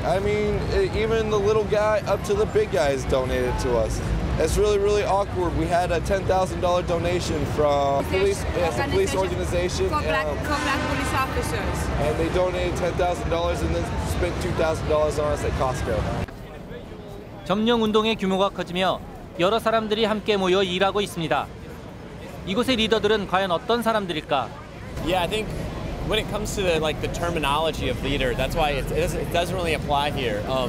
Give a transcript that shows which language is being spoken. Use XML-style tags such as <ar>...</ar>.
<en>I mean, even the little guy up to the big guys donated to us. It's really, really awkward. We had a $10,000 donation from a police organization. For black police officers. And they donated $10,000 and then spent $2,000 on us at Costco.</en> <ko>점령 운동의 규모가 커지며 여러 사람들이 함께 모여 일하고 있습니다. 이곳의 리더들은 과연 어떤 사람들일까?</ko> <en>Yeah, I think when it comes to the terminology of leader, that's why it doesn't really apply here.</en>